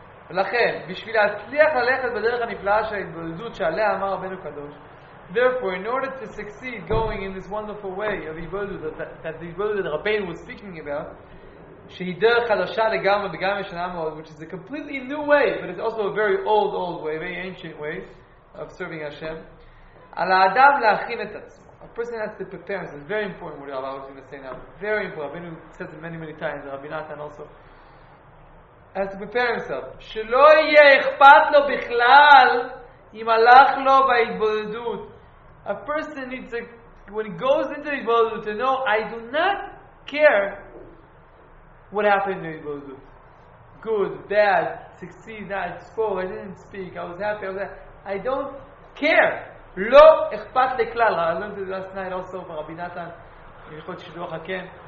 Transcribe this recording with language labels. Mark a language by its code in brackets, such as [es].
[he] ולכן, בשביל להצליח ללכת בדרך הנפלאה של ההתבודדות שעליה אמר רבנו קדוש, [en] therefore, in order to succeed going in this wonderful way of ההתבודדות, that the ההתבודדות that רבנו was speaking about, [he] שהיא דרך חדשה לגמרי וגם ישנה מאוד, [en] which is a completely new way, but it's also a very old, old way, very ancient way of serving Hashem, [he] על האדם להכין את עצמו. [en] A person has to prepare, it's very important what Rabbi was going to say now, very important, Rabbeinu says it many, many times, Rabbi Nathan also, has to prepare himself. [he] שלא יהיה אכפת לו בכלל אם הלך לו בהתבודדות. [en] A person needs to, when he goes into the התבודדות, to know, I do not care what happened in the התבודדות. Good, bad, succeed, not spoke, I didn't speak, I was happy, I don't care. [he] לא אכפת לכלל. [en] I learned it last night also from Rabbi Nathan, הלכות שידוח הקן.